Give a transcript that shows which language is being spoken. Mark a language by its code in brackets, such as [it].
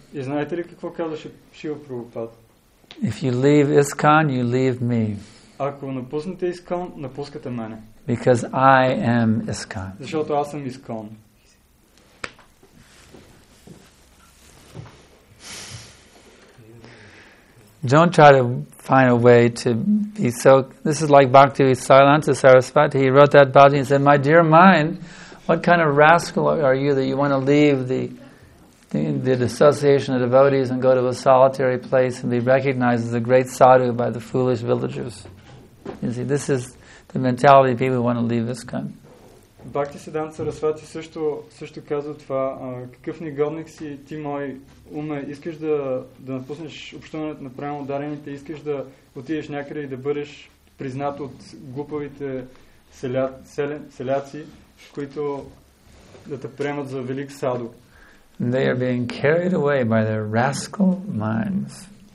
[bg] И знаете ли какво казваше Шрила Прабхупада? [en] If you leave ISKCON, you leave me. [bg] Ако напуснете ИСКОН, напускате мене. [en] Because I am ISKCON. [bg] Защото аз съм ИСКОН. [en] Don't try to find a way to be so... This is like Bhakti Silanta Sarasvati. He wrote that bhajan and said, my dear mind, what kind of rascal are you that you want to leave the association of devotees and go to a solitary place and be recognized as a great sadhu by the foolish villagers? You see, this is the mentality of people who want to leave this kind. [bg] Бхакти Сидан Сарасвати също казва това. Какъв негодник си ти, мой уме, искаш да напуснеш общуването на правилно дарените, искаш да отидеш някъде и да бъдеш признат от глупавите селяци, които да те приемат за велик садо. [en] They are being carried away by their rascal minds.